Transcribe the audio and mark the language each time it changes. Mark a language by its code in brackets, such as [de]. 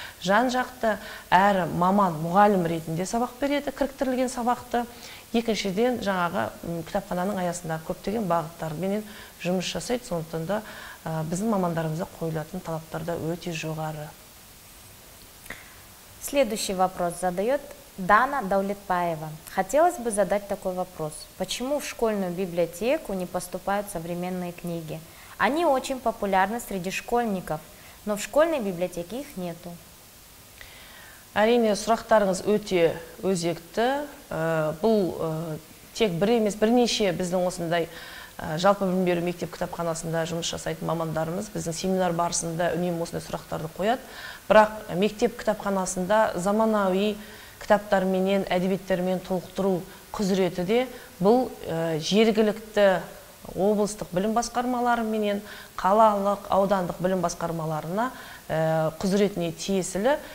[kk] Жан-жақты әр маман, мұғалім ретінде сабақ береді, кіріктірілген сабақты. Екіншіден жаңағы кітапхананың аясында көптеген бағыттарменен жұмыс жасайды, сондықтан да біздің мамандарымызға қойылатын талаптар да өте жоғары. [ru] Следующий вопрос задает Дана Даулетпаева. Хотелось бы задать такой вопрос. Почему в школьную библиотеку не поступают современные книги? Они очень популярны среди школьников, но в школьной библиотеке их нету. [kk] Әрине, сұрақтарыңыз өте өзекті. Бұл тек бір емес, бірнеше біздің осындай жалпы білім беру мектеп кітапханасында жұмыс жасайтын мамандарымыз біздің семинар барысында үнемі осындай сұрақтарды қояды. Бірақ мектеп кітапханасында заманауи кітаптарменен, әдебиеттермен толықтыру құзыреті де бұл жергілікті облыстық білім басқармалары менен қалалық, аудандық білім басқармаларына құзыретіне тиесілі.